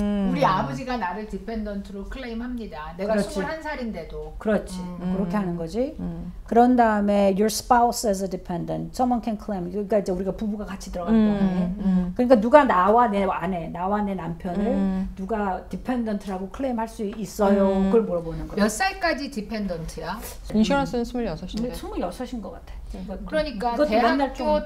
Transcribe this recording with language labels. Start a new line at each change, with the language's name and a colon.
Korean: 우리 아버지가 나를 dependent로 claim 합니다. 내가 그렇지. 21살인데도. 그렇지. 그렇게 하는 거지. 그런 다음에
English: your spouse as a dependent. Someone can claim.
Korean: 그러니까 이제 우리가 부부가 같이 들어간 거네. 그러니까 누가 나와 내 아내, 나와 내 남편을 누가 dependent라고 claim 할 수 있어요? 그걸 물어보는 거예요. 몇 살까지 dependent야? 인슈런스는 26인데. 26인 것 같아. 그러니까 대학교, 좀...